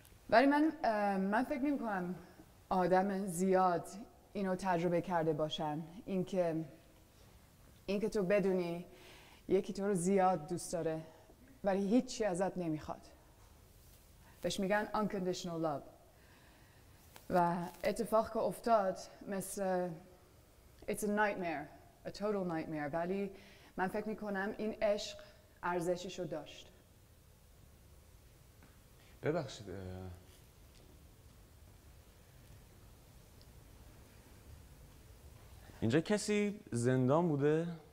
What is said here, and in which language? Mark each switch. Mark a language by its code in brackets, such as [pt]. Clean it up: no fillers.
[fa] ولی من فکر نمی‌کنم آدم زیاد اینو تجربه کرده باشن، اینکه تو بدونی یکی تو رو زیاد دوست داره ولی هیچی ازت نمیخواد. بهش میگن unconditional love. و اتفاق که افتاد مثل [en] it's a nightmare, a total nightmare. [fa] ولی من فکر میکنم این عشق ارزشش رو داشت. ببخشید اینجا کسی زندان بوده؟